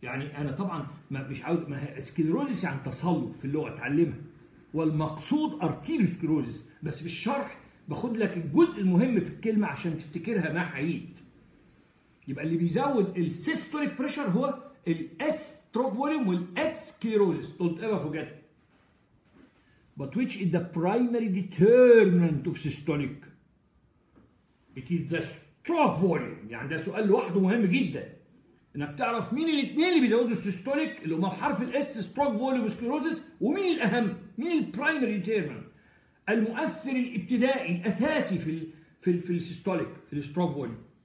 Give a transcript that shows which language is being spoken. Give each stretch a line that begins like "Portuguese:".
Arabic: يعني انا طبعا ما مش عاوز، ما سكليروزيس يعني تصلب في اللغه اتعلمها، والمقصود ارتيريوسكلروزيس، بس في الشرح باخد لك الجزء المهم في الكلمه عشان تفتكرها مع عيد. يبقى اللي بيزود السيستوليك بريشر هو الاس ستروك فوليوم والاس كيروزيس.
English: Don't ever forget. But which is the primary determinant of systolic? It is the stroke volume.
Arabic: يعني ده سؤال لوحده مهم جدا. انك تعرف مين الاثنين اللي بيزودوا السيستوليك اللي هم بحرف الاس ستروك فوليوم وسكليروزيس، ومين الاهم؟ مين البرايمري ديتيرمنت؟ المؤثر الابتدائي الاساسي في الـ في الـ في السيستوليك الستروك فوليوم.